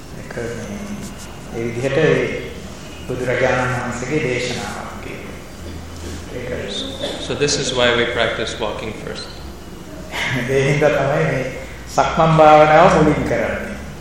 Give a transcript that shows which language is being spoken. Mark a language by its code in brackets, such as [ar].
[si] ඒ විදිහට බුදුරජාණන් වහන්සේගේ දේශනාවක් ඒක. [en] So this is why we practice walking first. [si] ඒ හින්දා තමයි මේ සක්මන් භාවනාව මුලින් කරන්නේ.